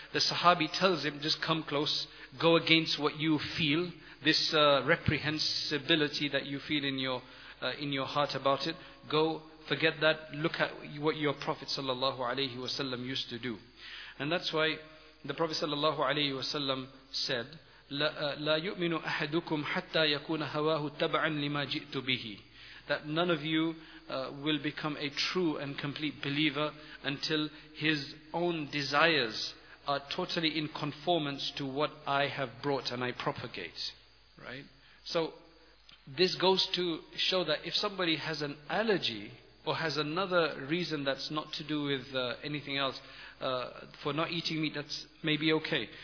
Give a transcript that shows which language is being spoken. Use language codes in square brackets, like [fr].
[en] The sahabi tells him, just come close, go against what you feel, this reprehensibility that you feel in your heart about it, go, forget that, look at what your Prophet sallallahu alayhi wa sallam used to do. And that's why the Prophet sallallahu alayhi wa sallam said, [ar] لا يؤمن أحدكم حتى يكون هواه تبعا لما جئت به. [en] That none of you will become a true and complete believer until his own desires are totally in conformance to what I have brought and I propagate. Right? So this goes to show that if somebody has an allergy or has another reason that's not to do with anything else, for not eating meat, that's maybe okay.